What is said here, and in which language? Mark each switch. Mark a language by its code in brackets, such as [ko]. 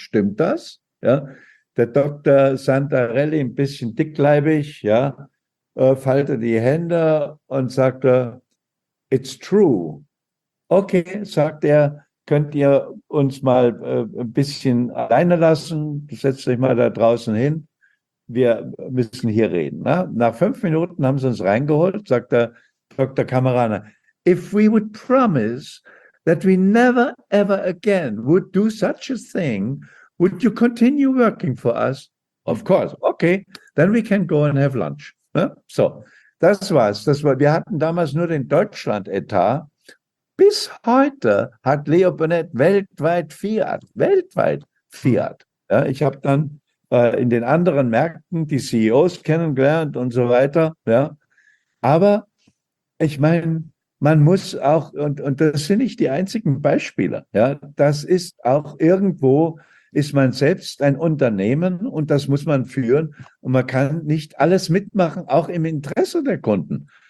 [de] Stimmt das? Ja. Der Dr. Santarelli, ein bisschen dickleibig, ja, faltet die Hände und sagt, [en] it's true. [de] Okay, sagt er, könnt ihr uns mal ein bisschen alleine lassen? Setzt euch mal da draußen hin. Wir müssen hier reden. Na? Nach 5 Minuten haben sie uns reingeholt, sagt der Dr. [en] Kamerana, if we would promise that we never ever again would do such a thing, would you continue working for us? Of course. Okay, then we can go and have lunch. [de] Ja? So, das war's. Das war, wir hatten damals nur den Deutschland-Etat. Bis heute hat Leo Burnett weltweit Fiat. Ja, ich habe dann in den anderen Märkten die CEOs kennengelernt und so weiter. Ja, aber ich meine, man muss auch, und das sind nicht die einzigen Beispiele, ja, das ist auch irgendwo, ist man selbst ein Unternehmen und das muss man führen und man kann nicht alles mitmachen, auch im Interesse der Kunden.